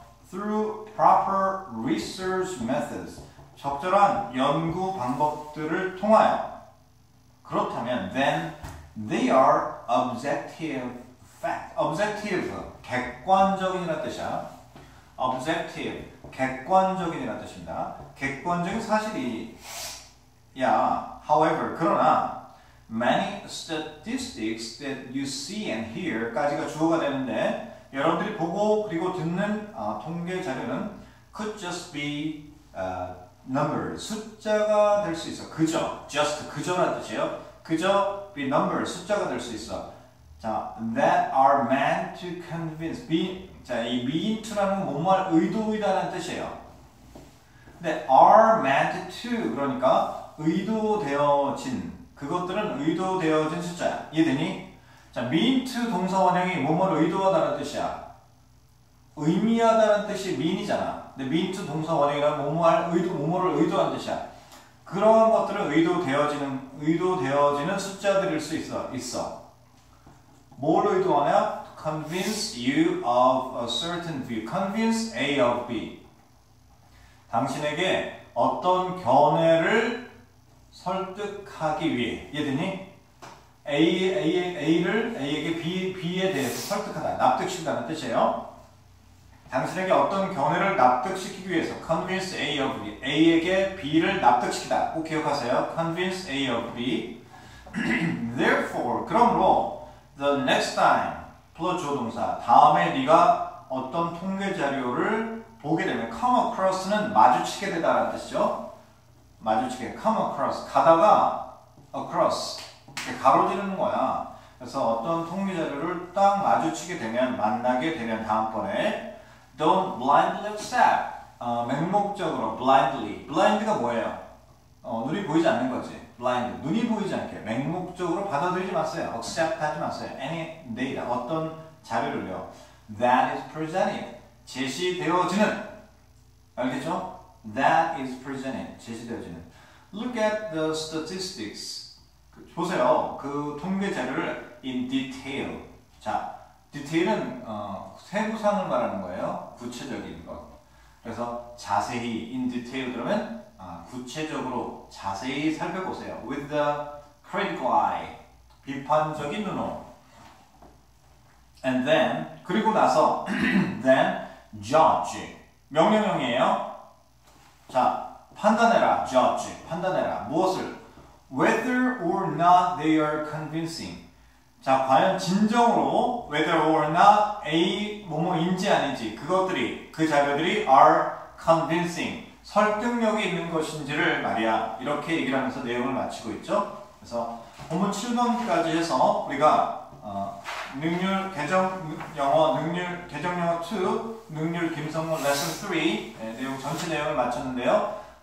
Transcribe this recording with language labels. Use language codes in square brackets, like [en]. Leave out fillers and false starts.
[en] Through proper research methods, [ko] 적절한 연구 방법들을 통하여. 그렇다면 [en] then they are objective fact. [ko] Objective 객관적인이라는 뜻이야. Objective 객관적인이라는 뜻입니다. 객관적인 사실이야. However, 그러나 [en] many statistics that you see and hear [ko] 까지가 주어가 되는데 여러분들이 보고 그리고 듣는 통계 자료는 [en] could just be numbers [ko] 숫자가 될 수 있어. 그저 just 그저라는 뜻이에요. 그저 be numbers 숫자가 될 수 있어. 자 [en] that are meant to convince [ko] be 자 이 mean to라는 건 뭔말 의도이다라는 뜻이에요. 근데 are meant to 그러니까 의도되어진 그것들은 의도되어진 숫자야. 이해되니? 자, mean to 동사 원형이 뭐뭐를 의도하다는 뜻이야. 의미하다는 뜻이 mean이잖아. 근데 mean to 동사 원형이란 뭐뭐를 의도한 뜻이야. 그러한 것들은 의도되어지는 숫자들일 수 있어. 뭘 의도하냐? [en] To convince you of a certain view. Convince A of B. [ko] 당신에게 어떤 견해를 설득하기 위해. 이해되니? A에게 B에 대해서 설득하다. 납득시킨다는 뜻이에요. 당신에게 어떤 견해를 납득시키기 위해서 convince A of B. A에게 B를 납득시키다. 꼭 기억하세요. convince A of B. Therefore, 그러므로 [en] the next time, [ko] 플러스 주어 동사. 다음에 네가 어떤 통계 자료를 보게 되면 come across는 마주치게 되다라는 뜻이죠. 마주치게 come across 가다가 across 가로지르는 거야. 그래서 어떤 통계 자료를 딱 마주치게 되면 만나게 되면 다음번에 [en] don't blindly accept [ko] 맹목적으로 blindly blind가 뭐예요? 눈이 보이지 않는 거지. blind 눈이 보이지 않게 맹목적으로 받아들이지 마세요. accept 하지 마세요. [en] any data [ko] 어떤 자료를요. [en] that is presented [ko] 제시되어지는 알겠죠? [en] That is presented. [ko] 제시되어지는. [en] Look at the statistics. [ko] 보세요. 그 통계 자료를 [en] in detail. [ko] 자, detail은 세부상을 말하는 거예요. 구체적인 것. 그래서 자세히 in detail 그러면 구체적으로 자세히 살펴보세요. [en] With the critical eye. [ko] 비판적인 눈으로. [en] And then [ko] 그리고 나서 [en] then judge. [ko] 명령형이에요. 자, 판단해라, judge, 판단해라. 무엇을? [en] Whether or not they are convincing. [ko] 자, 과연 진정으로 whether or not A 뭐뭐인지 아닌지 그것들이, 그 자료들이 are convincing. 설득력이 있는 것인지를 말이야. 이렇게 얘기를 하면서 내용을 마치고 있죠. 그래서 본문 7번까지 해서 우리가 능률 개정 영어 능률 개정 영어 2 능률 김성모 레슨 3 내용 전체 내용을 마쳤는데요.